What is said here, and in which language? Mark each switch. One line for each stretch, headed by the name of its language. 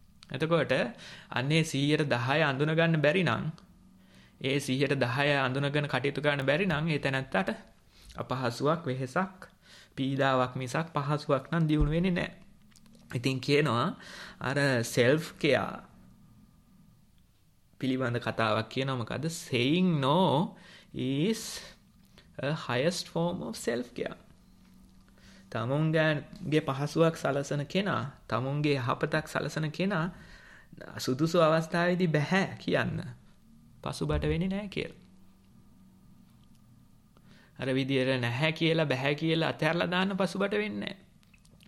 Sinhala: එතකොට අන්නේ 10% අඳුන ගන්න බැරි නම්, ඒ 10% අඳුනගෙන කටයුතු කරන්න බැරි නම් ඒ තැනත්තට අපහසුවක්, වෙහෙසක්, පීඩාවක් මිසක් පහසුවක් නම් දියුණු වෙන්නේ නැහැ. ඉතින් කියනවා අර self care පිළිබඳ කතාවක් කියනවා. මොකද
English: saying no is a highest form of self care.
Sinhala: තමුන්ගේ පහසුවක් සලසන කෙනා, තමුන්ගේ යහපතක් සලසන කෙනා සුදුසු අවස්ථාවේදී බෑ කියන්න පසුබට වෙන්නේ නැහැ කියලා. අර විදියට නැහැ කියලා බෑ කියලා අතහැරලා දාන්න පසුබට වෙන්නේ නැහැ.